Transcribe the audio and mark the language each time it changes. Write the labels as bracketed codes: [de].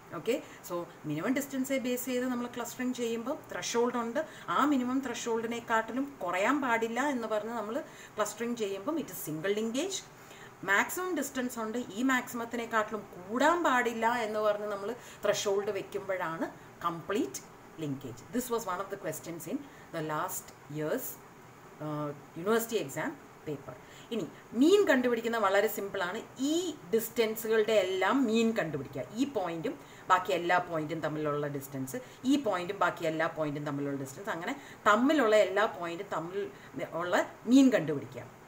[ml] Okay, so minimum ഡിസ്റ്റൻസെ base ചെയ്ത് നമ്മൾ clustering ചെയ്യുമ്പോൾ ത്രെഷോൾഡുണ്ട്, ആ മിനിമം ത്രെഷോൾഡിനെക്കാട്ടിലും കുറയാൻ പാടില്ല എന്ന് പറഞ്ഞ് നമ്മൾ ക്ലസ്റ്ററിങ് ചെയ്യുമ്പം [en] It is single linkage. [ml] Maximum distance ഉണ്ട്, ഈ മാക്സിമത്തിനെക്കാട്ടിലും കൂടാൻ പാടില്ല എന്ന് പറഞ്ഞ് നമ്മൾ threshold വെക്കുമ്പോഴാണ് complete linkage. [en] This was one of the questions in the last year's university exam paper. [ml] ഇനി മീൻ കണ്ടുപിടിക്കുന്നത് വളരെ സിമ്പിളാണ്. ഈ ഡിസ്റ്റൻസുകളുടെ എല്ലാം മീൻ കണ്ടുപിടിക്കുക. ഈ പോയിൻറ്റും ബാക്കി എല്ലാ പോയിൻറ്റും തമ്മിലുള്ള ഡിസ്റ്റൻസ്, ഈ പോയിൻറ്റും ബാക്കി എല്ലാ പോയിൻറ്റും തമ്മിലുള്ള ഡിസ്റ്റൻസ്, അങ്ങനെ തമ്മിലുള്ള എല്ലാ പോയിൻറ്റും തമ്മിൽ ഉള്ള മീൻ കണ്ടുപിടിക്കുക.